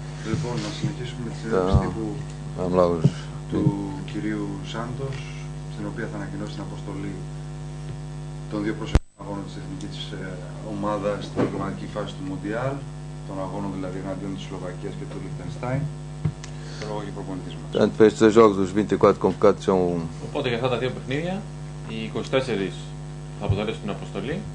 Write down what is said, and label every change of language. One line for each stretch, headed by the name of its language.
Greek: Λοιπόν, να συνεχίσουμε με τις ερωτήσεις του κυρίου Σάντος, στην οποία θα ανακοινώσει την αποστολή των δύο προσεχών αγώνων της εθνικής ομάδας στην προκριματική φάση του Μοντιάλ, των αγώνων δηλαδή εναντίον της Σλοβακίας και του Λιχτενστάιν. Λόγοι προπονητής μας.
Portuguese: Tanto para estes jogos, os 24 convocados são...
Greek: Οπότε για αυτά τα δύο παιχνίδια, οι 24 θα αποτελέσουν την αποστολή.